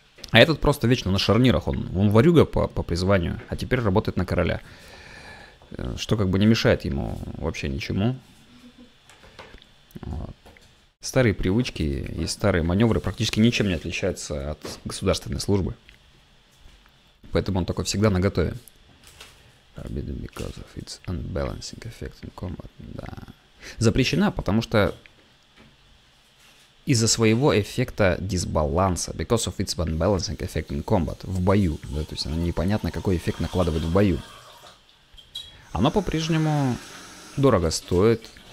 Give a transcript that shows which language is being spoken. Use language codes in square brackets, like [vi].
[ru] А этот просто вечно на шарнирах, он ворюга по призванию, а теперь работает на короля. Что как бы не мешает ему вообще ничему. Вот. Старые привычки и старые маневры практически ничем не отличаются от государственной службы. Поэтому он такой всегда наготове. [en] Forbidden because of its unbalancing effect in combat. [ru] Да. Запрещена, потому что из-за своего эффекта дисбаланса. [en] Because of its unbalancing effect in combat. [ru] В бою. Да, то есть она непонятно, какой эффект накладывает в бою. Оно по-прежнему дорого стоит.